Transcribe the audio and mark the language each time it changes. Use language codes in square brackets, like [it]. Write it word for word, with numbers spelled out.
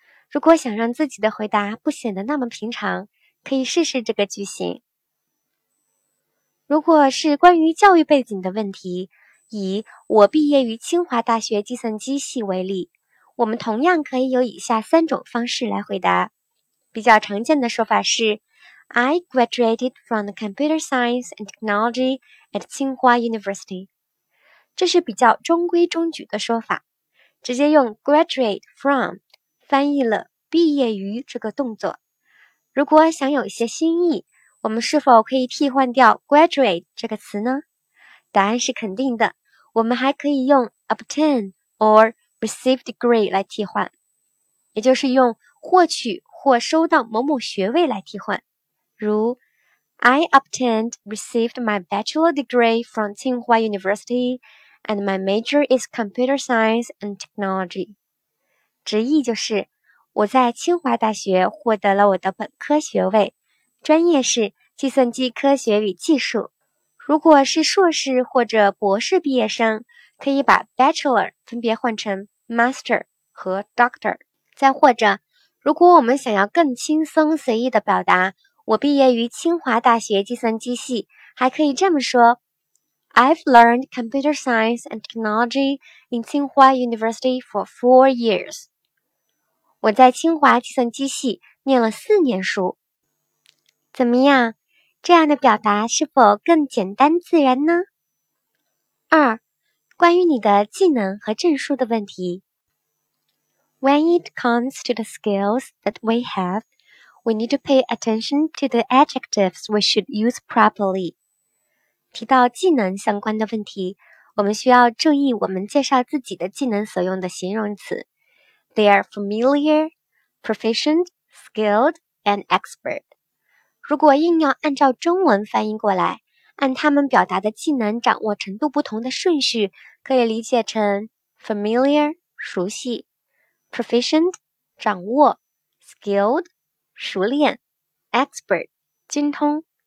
[zh] 如果想让自己的回答不显得那么平常，可以试试这个句型。如果是关于教育背景的问题，以我毕业于清华大学计算机系为例，我们同样可以有以下三种方式来回答。比较常见的说法是 [en] I graduated from the Computer Science and Technology at Tsinghua University。 [zh] 这是比较中规中矩的说法，直接用 graduate from 翻译了毕业于这个动作。如果想有一些新意，我们是否可以替换掉 graduate 这个词呢？答案是肯定的，我们还可以用 [en] obtain or receive degree [zh] 来替换，也就是用获取或收到某某学位来替换。如 [en] I obtained received my bachelor degree from Tsinghua University and my major is computer science and technology。 [zh] 直译就是我在清华大学获得了我的本科学位，专业是计算机科学与技术。如果是硕士或者博士毕业生，可以把 bachelor 分别换成 master 和 doctor。再或者，如果我们想要更轻松随意的表达我毕业于清华大学计算机系，还可以这么说 [en] I've learned computer science and technology in Tsinghua University for four years。 [zh] 我在清华计算机系念了四年书。怎么样，这样的表达是否更简单自然呢？二、关于你的技能和证书的问题。 [en] When it comes to the skills that we have, we need to pay attention to the adjectives we should use properly。 [zh] 提到技能相关的问题，我们需要注意我们介绍自己的技能所用的形容词。 [en] They are familiar, proficient, skilled, and expert。 [zh] 如果硬要按照中文翻译过来，按他们表达的技能掌握程度不同的顺序，可以理解成 familiar 熟悉， proficient 掌握， skilled 熟练， expert 精通。